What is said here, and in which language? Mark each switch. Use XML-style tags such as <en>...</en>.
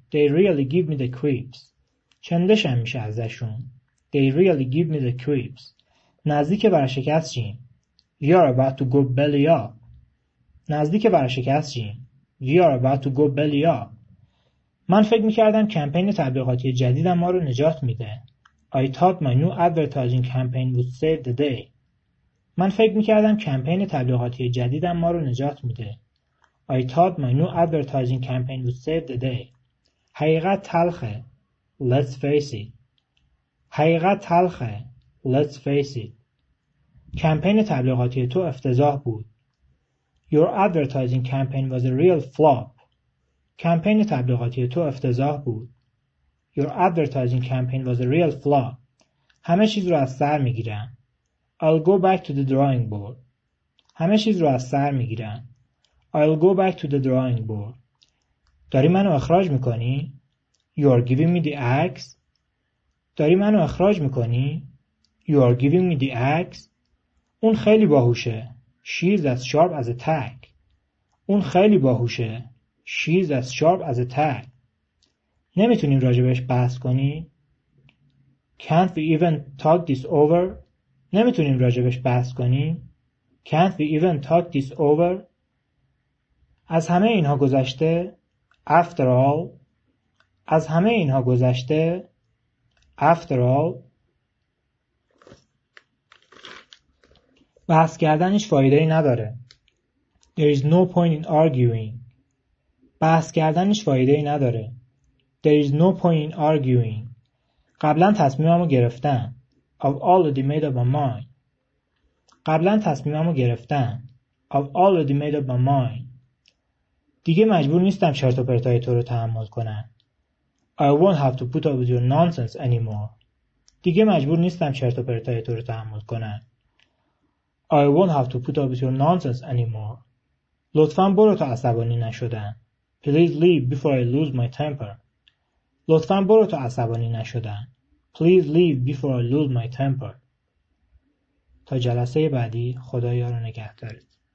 <en>They really give me the creeps.</en> <fa>چندش هم میشه ازشون.</fa> <en>They really give me the creeps.</en> <fa>نزدیک ورشکست جیم.</fa> <en>We are about to go belly up.</en> <fa>نزدیک ورشکست جیم.</fa> <en>We are about to go belly up.</en> <fa>من فکر میکردم کمپین تبلیغاتی جدیدم ما رو نجات میده.</fa> <en>I thought my new advertising campaign would save the day.</en> <fa>من فکر میکردم کمپین تبلیغاتی جدیدم ما رو نجات میده.</fa> <en>I thought my new advertising campaign would save the day.</en> <fa>حقیقت تلخه.</fa> <en>Let's face it. حقیقت تلخه. Let's face it.</en> <fa>کمپین تبلیغاتی تو افتضاح بود.</fa> <en>Your advertising campaign was a real flop.</en> <fa>کمپین تبلیغاتی تو افتضاح بود.</fa> <en>Your advertising campaign was a real flop.</en> <fa>همه چیز رو از سر میگیرم.</fa> <en>I'll go back to the drawing board. همه چیز رو از سر میگیرم. I'll go back to the drawing board.</en> <fa>داری منو اخراج میکنی؟</fa> <en>You are giving me the axe.</en> <fa>داری منو اخراج میکنی؟</fa> <en>You are giving me the axe.</en> <fa>اون خیلی باهوشه.</fa> <en>She is as sharp as a tack.</en> <fa>اون خیلی باهوشه.</fa> <en>She is as sharp as a tack.</en> <fa>نمیتونیم راجبش بحث کنیم.</fa> <en>Can't we even talk this over?</en> <fa>نمیتونیم راجبش بحث کنیم.</fa> <en>Can't we even talk this over?</en> <fa>از همه اینها گذشته.</fa> <en>After all.</en> <fa>از همه اینها گذشته. After all. بحث کردن هیچ فایده ای نداره.</fa> <en>There is no point in arguing.</en> <fa>بحث کردن هیچ فایده ای نداره.</fa> <en>There is no point in arguing.</en> <fa>قبلا تصمیمم رو گرفتم.</fa> <en>I've already made up my mind.</en> <fa>قبلا تصمیمم رو گرفتم.</fa> <en>I've already made up my mind.</en> <fa>دیگه مجبور نیستم چرت و پرتای تو رو تحمل کنم.</fa> <en>I won't have to put up with your nonsense anymore.</en> <fa>دیگه مجبور نیستم چرت و پرتای تو رو تحمل کنم.</fa> <en>I won't have to put up with your nonsense anymore.</en> <fa>لطفاً برو تا عصبانی نشدن.</fa> <en>Please leave before I lose my temper.</en> <fa>لطفاً برو تا عصبانی نشدن.</fa> <en>Please leave before I lose my temper.</en> <fa>تا جلسه بعدی خدایا رو نگهدارید.</fa>